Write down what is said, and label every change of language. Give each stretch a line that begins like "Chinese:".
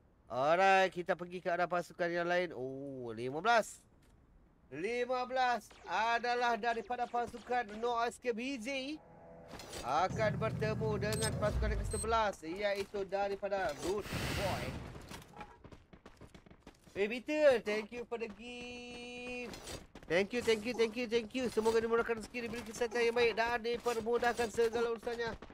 Malay: Alright, kita pergi ke arah pasukan yang lain. 15. 15 adalah daripada pasukan No Escape BZ. Akan bertemu dengan pasukan yang ke-11, iaitu daripada Root Boy.
English: Hey, Peter, thank you for the gift. Thank you.
Malay: Semoga dimurahkan rezeki, diberi kesihatan yang baik dan dipermudahkan segala urusannya.